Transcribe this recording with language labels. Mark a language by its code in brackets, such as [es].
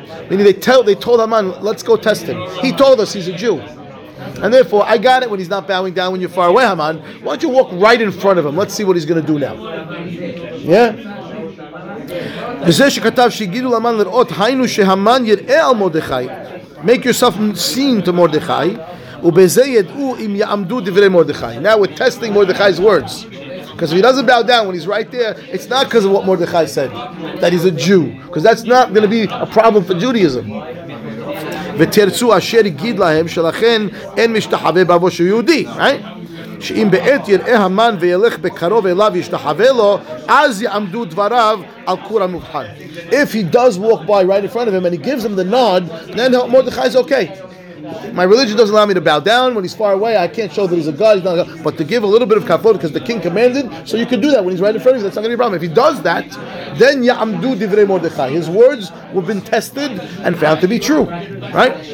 [en] Meaning they told Haman, let's go test him. He told us he's a Jew. And therefore, I got it when he's not bowing down when you're far away, Haman. Why don't you walk right in front of him? Let's see what he's going to do now. Yeah? [he] וזה שכתב שיגידו למן לראות היינו שהמן יראה על מרדכי [en] make yourself seen to [he] מרדכי ובזה ידעו אם יעמדו דברי מרדכי. [en] Now we're testing Mordechai's words. Because if he doesn't bow down when he's right there, it's not because of what Mordechai said, that he's a Jew. Because that's not going to be a problem for Judaism. [he] ותרצו אשר יגיד להם שלכן אין משתחווה בעבור שהוא יהודי, right? שאם בעת יראה המן וילך בקרוב אליו ישתחווה לו, אז יעמדו דבריו על כור המובחר. [en] If he does walk by right in front of him and he gives him the nod, then Mordechai is okay. My religion doesn't allow me to bow down when he's far away. I can't show that he's a god. He's not a god. But to give a little bit of kafod because the king commanded, so you can do that when he's right in front of you. That's not going to be a problem. If he does that, then ya'amdu divrei Mordechai. His words have been tested and found to be true. Right?